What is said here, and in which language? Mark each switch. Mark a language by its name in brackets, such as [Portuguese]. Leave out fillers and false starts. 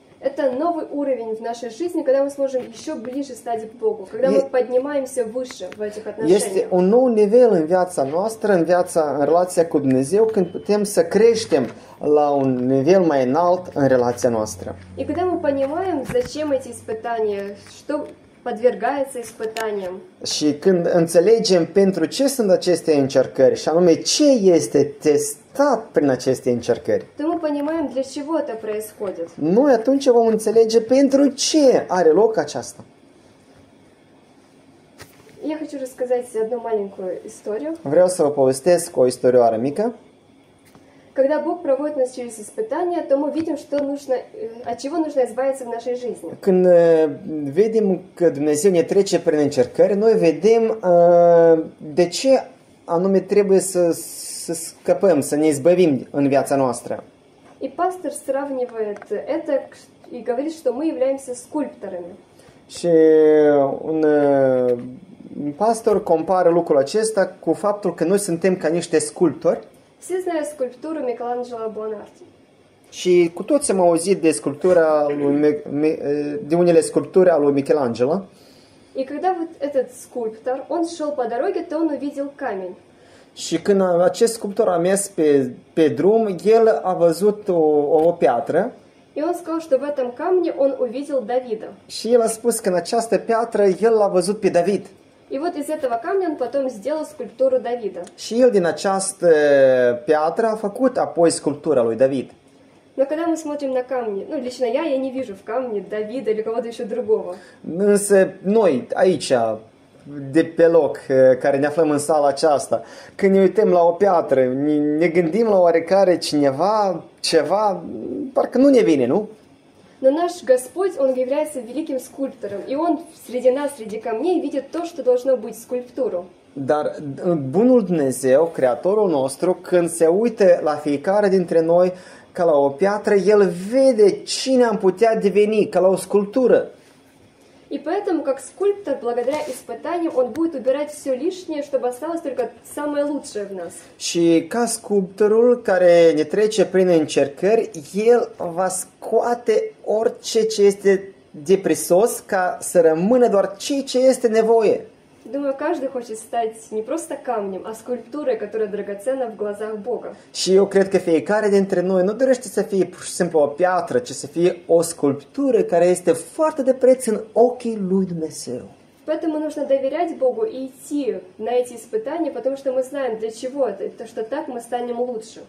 [Russian] Это новый уровень в нашей жизни, когда мы сможем еще ближе стать к Богу, когда мы поднимаемся выше в этих отношениях. [Romanian] Este un nou nivel în viața noastră, în viața, în relația cu Dumnezeu, când putem să creștem la un nivel mai înalt în relația noastră. [Russian] И когда мы понимаем, зачем эти испытания, что подвергается испытаниям. [Romanian] Și când înțelegem pentru ce sunt aceste încercări, și anume ce este testat prin aceste încercări. [Russian] То мы понимаем, для чего это происходит. [Romanian] Noi atunci vom înțelege pentru ce are loc aceasta. [Russian] Я хочу рассказать одну маленькую историю. [Romanian] Vreau să vă povestesc o istorioară mică. [Russian] когда Бог проводит нас через испытания, то мы видим, что нужно, от чего нужно избавиться в нашей жизни. [Romanian] Când vedem că Dumnezeu ne trece prin încercări, noi vedem de ce anume trebuie să scăpăm, să ne izbăvim în viața noastră. [Russian] И пастор сравнивает это и говорит, что мы являемся скульпторами. [Romanian] Și un pastor compară lucrul acesta cu faptul că noi suntem ca niște sculptori. [Russian] Все знают скульптуру Микеланджело Буонарти. [Romanian] Și cu toți am auzit de sculptura lui de unele sculpturi ale lui Michelangelo. [Russian] И когда вот этот скульптор, он шёл по дороге, то он увидел камень. [Romanian] Și când acest sculptor a mers pe drum, el a văzut o piatră. [Russian] И он сказал, что в этом камне он увидел Давида. [Romanian] Și el a spus că în această piatră el l-a văzut pe David. [Russian] И вот из этого камня он потом сделал скульптуру Давида. [Romanian] Și el din această piatră a făcut apoi sculptura lui David. [Russian] Но когда мы смотрим на камни, ну лично я не вижу в камне Давида или кого-то еще другого. [Romanian] Însă noi aici de pe loc care ne aflăm în sala aceasta, când ne uităm la o piatră, ne gândim la oarecare cineva, ceva, parcă nu ne vine, nu? [Russian] Но наш Господь, он является великим скульптором, и он среди нас, среди камней, видит то, что должно быть скульптуру. [Romanian] Dar bunul Dumnezeu, creatorul nostru, când se uită la fiecare dintre noi ca la o piatră, el vede cine am putea deveni ca la o sculptură. [Russian] И поэтому, как скульптор, благодаря испытаниям, он будет убирать все лишнее, чтобы осталось только самое лучшее в нас. [Romanian] Și ca sculptorul care ne trece prin încercări, el va scoate orice ce este deprisos ca să rămână doar ceea ce este nevoie. [Russian] Думаю, каждый хочет стать не просто камнем, а скульптурой, которая драгоценна в глазах Бога. [Romanian] Și eu cred că fiecare dintre noi nu dorește să fie pur și simplu o piatră, ci să fie o sculptură care este foarte de preț în ochii lui Dumnezeu. [Russian] Поэтому нужно доверять Богу и идти на эти испытания, потому что мы знаем, для чего это, что так мы станем лучше.